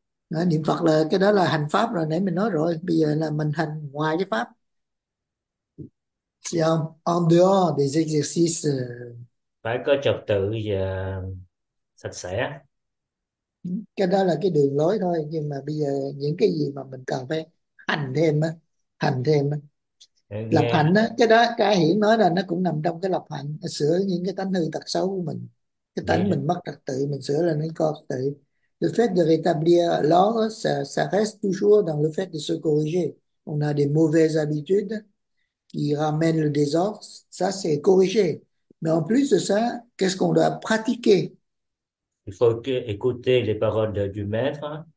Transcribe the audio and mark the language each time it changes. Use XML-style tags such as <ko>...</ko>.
<vi>Niệm Phật là cái đó là hành pháp rồi, nãy mình nói rồi. Bây giờ là mình hành ngoài cái pháp.</vi> <fr>C'est en dehors des exercices.</fr> <vi>Phải có trật tự và sạch sẽ. Cái đó là cái đường lối thôi, nhưng mà bây giờ những cái gì mà mình cần phải hành thêm á. Hành thêm lập hạnh á, cái đó cái hiển nói là nó cũng nằm trong cái lập hạnh, sửa những cái tánh hư tật xấu của mình, cái tánh mình mất trật tự mình sửa là nó có trật tự.</vi> <fr>Le fait de rétablir l'ordre, ça reste toujours dans le fait de se corriger. On a des mauvaises habitudes qui ramènent le désordre, ça c'est corriger. Mais en plus de ça, qu'est-ce qu'on doit pratiquer? Il faut écouter les paroles du maître.</fr>